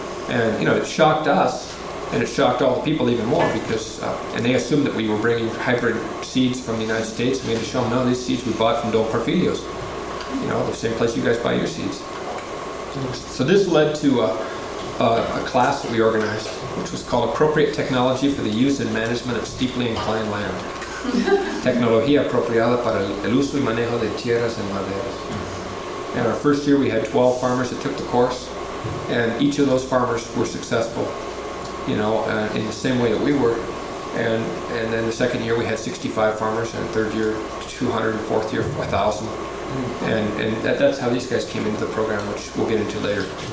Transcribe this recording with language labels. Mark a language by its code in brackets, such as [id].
[en] And, you know, it shocked us, and it shocked all the people even more because they assumed that we were bringing hybrid seeds from the United States. We had to show them, no, these seeds we bought from Don Porfirio's, you know, the same place you guys buy your seeds. So this led to a class that we organized, which was called Appropriate Technology for the Use and Management of Steeply Inclined Land. [es] Tecnología apropiada para el uso y manejo de tierras en maderas. [en] And our first year we had 12 farmers that took the course, and each of those farmers were successful, you know, in the same way that we were. And then the second year we had 65 farmers, and third year 200, and fourth year 1,000. And that's how these guys came into the program, which we'll get into later.